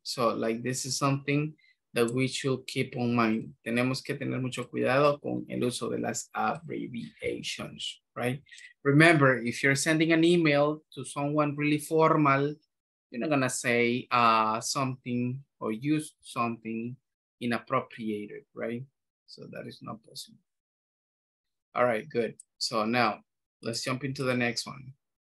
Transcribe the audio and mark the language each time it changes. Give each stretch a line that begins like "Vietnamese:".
English: So like this is something that we should keep in mind.
Spanish: Tenemos que tener mucho cuidado con el uso de las abbreviations, right?
English: Remember, if you're sending an email to someone really formal, you're not gonna say something or use something inappropriate, right? So that is not possible. All right, good. So now let's jump into the next one.